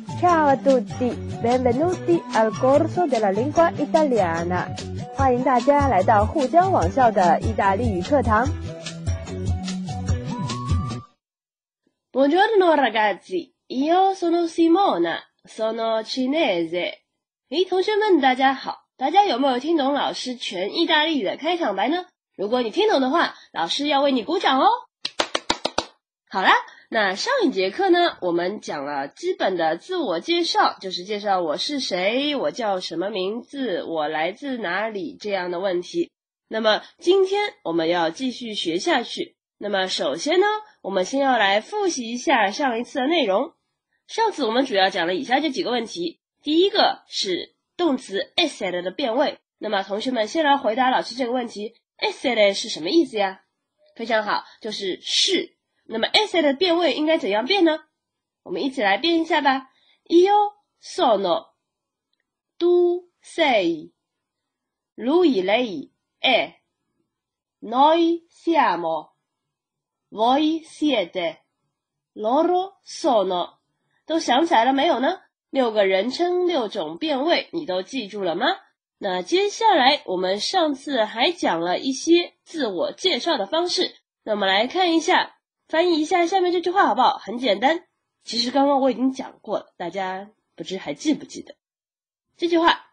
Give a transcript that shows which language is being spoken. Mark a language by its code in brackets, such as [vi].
[it] Ciao a tutti, benvenuti al corso della lingua italiana. [zh] 欢迎大家来到沪江网校的意大利语课堂。 [it] Buongiorno ragazzi, io sono Simona, sono cinese. [zh] 诶，同学们大家好，大家有没有听懂老师全意大利语的开场白呢？如果你听懂的话，老师要为你鼓掌哦。好啦，那上一节课呢，我们讲了基本的自我介绍，就是介绍我是谁，我叫什么名字，我来自哪里这样的问题。那么今天我们要继续学下去。那么首先呢，我们先要来复习一下上一次的内容。上次我们主要讲了以下这几个问题。第一个是动词 essere 的变位。那么同学们先来回答老师这个问题， essere 是什么意思呀？非常好，就是是。那么 essere 的变位应该怎样变呢？我们一起来变一下吧。 [it] Io sono, tu sei, lui lei è, noi siamo, voi siete, loro sono。 [zh] 都想起来了没有呢？六个人称六种变位你都记住了吗？那接下来我们上次还讲了一些自我介绍的方式，那我们来看一下，翻译一下下面这句话好不好？很简单，其实刚刚我已经讲过了，大家不知还记不记得这句话。